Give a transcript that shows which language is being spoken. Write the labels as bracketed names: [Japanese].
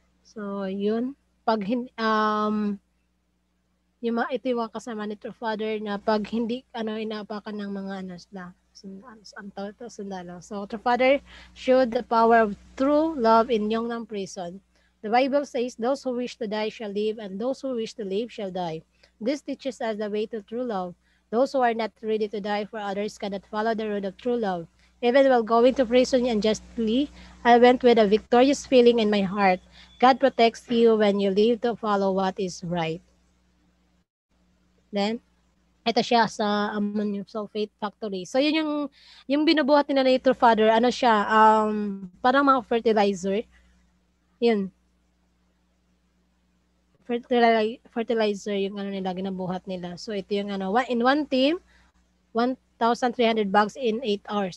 [Filipino] So yun, pag ito yung mga kasama ni True Father na pag hindi ano inaapakan ng mga ano sila, sundalo. [English] So True Father showed the power of true love in Yungnam prison. The Bible says those who wish to die shall live and those who wish to live shall die. This teaches us the way to true love. Those who are not ready to die for others cannot follow the road of true love. Even while going to prison unjustly, I went with a victorious feeling in my heart. God protects you when you live to follow what is right. [Filipino] Then, ito siya sa Ammonium Sulfate Factory. So, yun yung binubuhat nila ni True Father. Ano siya? Parang mga fertilizer. Yun. Fertilizer yung ano nila, ginabuhat nila. So, ito yung ano. [English] In one team, 1,300 bags in 8 hours.